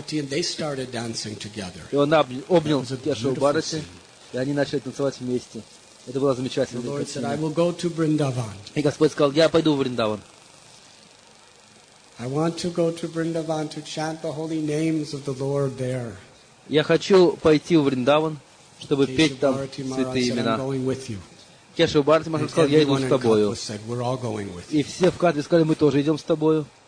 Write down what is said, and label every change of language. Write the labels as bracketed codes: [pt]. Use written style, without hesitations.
[ru] И он обнял Кешава Бхарати, и они начали танцевать вместе. Это было замечательно. И Господь сказал: «Я пойду в Вриндаван». [en] I want to go to Vrindavan to chant the holy names of the Lord there. [ru] Я хочу пойти в Вриндаван, чтобы петь там святые имена. Кешава Бхарати Махарадж сказал: «Я иду с тобою». И все в Катве сказали: «Мы тоже идем с тобою».